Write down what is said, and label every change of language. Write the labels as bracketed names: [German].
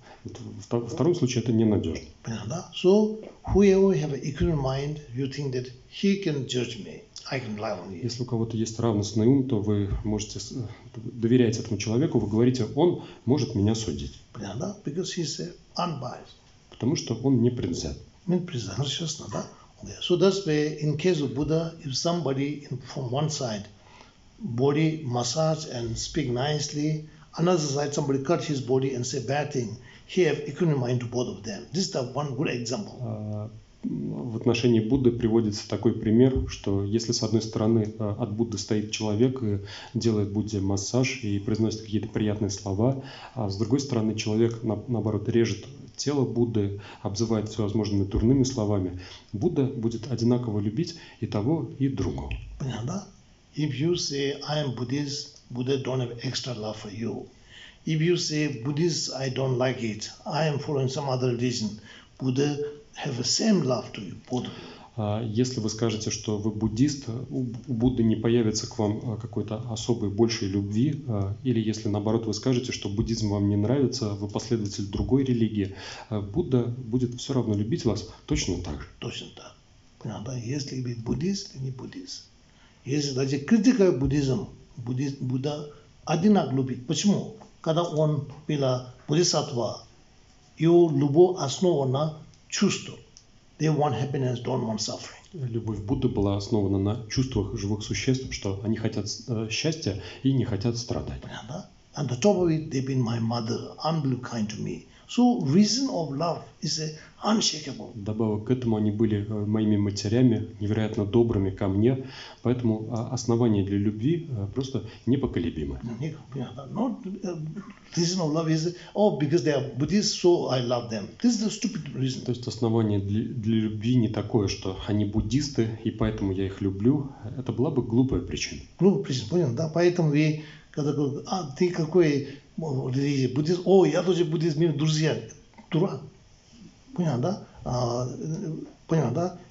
[Russian] В втором случае это ненадежно. Понятно? [English] So, whoever have an equal mind, you think that he can judge me. I can rely on you. [Russian] Если у кого-то есть равностный ум, то вы можете доверять этому человеку, вы говорите, он может меня судить. Понятно? [English] Because he's unbiased. [Russian] Потому что он не предвзят. Не предвзят, ну, честно, да? [English] Okay. So that's why in case of Buddha, if somebody from one side body massage and speak nicely, another side somebody cut his body and say bad thing, he have equal mind to both of them. This is the one good example. [Russian] В отношении Будды приводится такой пример, что если с одной стороны от Будды стоит человек и делает Будде массаж и произносит какие-то приятные слова, а с другой стороны человек наоборот режет тело Будды, обзывает всевозможными дурными словами, Будда будет одинаково любить и того, и другого. Понятно? If you say I am Buddhist, Buddha don't have extra love for you. If you say Buddhist, I don't like it, I am following some other religion, Buddha have the same love to you, both of you. Если вы скажете, что вы буддист, у Будды не появится к вам какой-то особой большей любви, или если наоборот вы скажете, что буддизм вам не нравится, вы последователь другой религии, Будда будет все равно любить вас точно так же. Точно так. Понятно? Если быть буддист или не буддист. Если даже критика буддизм, Будда одинаково любит. Почему? Когда он был буддисатва, его любовь основана чувство. [English] They want happiness, don't want suffering. [Russian] Любовь Будды была основана на чувствах живых существ, что они хотят счастья и не хотят страдать. Понятно? [English] And on top of it, they've been my mother, unbelievably kind to me. So reason of love is unshakable. [Russian] Добавок к этому они были моими матерями, невероятно добрыми ко мне, поэтому основание для любви просто непоколебимое. Понятно? Not reason of love is because they are Buddhists, so I love them. This is the stupid reason. То есть основание для любви не такое, что они буддисты и поэтому я их люблю. Это была бы глупая причина. Глупая причина, понятно? Да, поэтому вы когда говорят, а ты какой религии, буддист? О, я тоже буддист, мир, друзья. Дурак. Понятно, да? Понятно, да?